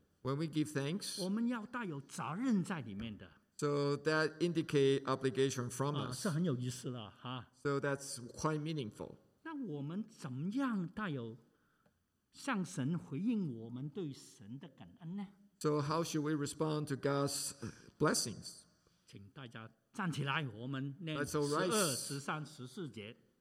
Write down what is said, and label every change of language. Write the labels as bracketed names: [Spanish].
[English] When we give thanks, [Chinese] 我们要带有责任在里面的。 [English] So that indicates obligation from us. [Chinese] 是很有意思了哈。 [English] So that's quite meaningful. [Chinese] 那我们怎么样带有向神回应我们对神的感恩呢？ [English] So how should we respond to God's blessings? [Chinese] 请大家站起来，我们念十二、十三、十四节。